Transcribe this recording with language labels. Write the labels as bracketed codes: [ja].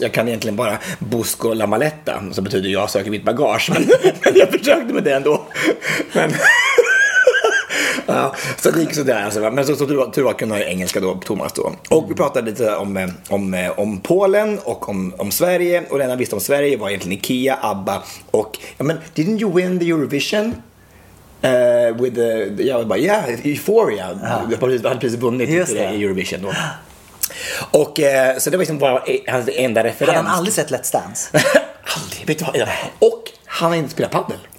[sv] Jag kan egentligen bara [es] busco la maleta, [sv] som betyder jag söker mitt bagage. Men jag försökte med det ändå. Men, ja, så det gick sådär alltså. Men så tur var kunde ha engelska då, Thomas då. Och vi pratade lite om Polen och om Sverige. Och det enda visste om Sverige var egentligen IKEA, ABBA. Och, ja, men [en] didn't you win the Eurovision? Euphoria. [sv] Jag hade precis vunnit i Eurovision då. Och så det var liksom bara hans enda referens. Hade han aldrig sett Let's Dance? Aldrig, vet du vad? Och han har inte spelat paddel.